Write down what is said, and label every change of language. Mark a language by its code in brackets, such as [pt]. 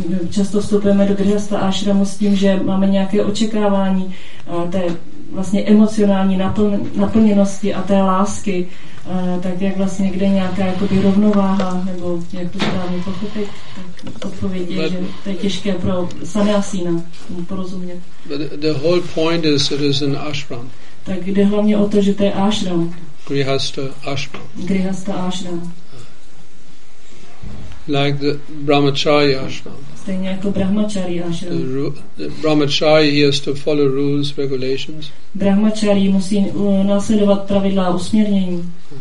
[cs] často vstupujeme do Grihastha ashramu s tím, že máme nějaké očekávání té vlastně emocionální naplněnosti a té lásky, tak jak vlastně kde nějaká jakoby rovnováha, nebo jak to správně pochopit, tak odpověď je, že to je těžké pro sannyasína tomu porozumět. [en] But the whole point is it is an ashram. [cs] Tak jde hlavně o to, že to je ashram. [en] Grihastha ashram. [cs] Grihastha ashram. [en] Like the Brahmacharya ashram. [cs] Stejně jako Brahmacharya ashram. [en] Brahmacharya, he has to follow rules, regulations. [cs] Brahmacharya musí následovat pravidla a usměrnění.